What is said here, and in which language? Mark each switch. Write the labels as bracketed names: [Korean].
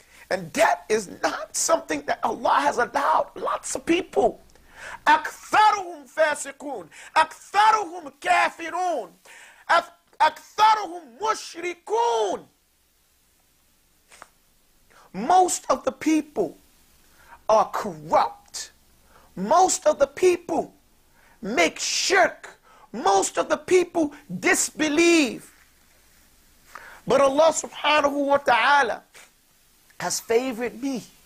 [English] And that is not something that Allah has allowed. Lots of people. [Arabic] أكثرهم فاسقون أكثرهم كافرون أكثرهم مشركون. [English] Most of the people are corrupt. Most of the people make shirk. Most of the people disbelieve. But Allah subhanahu wa ta'ala has favored me.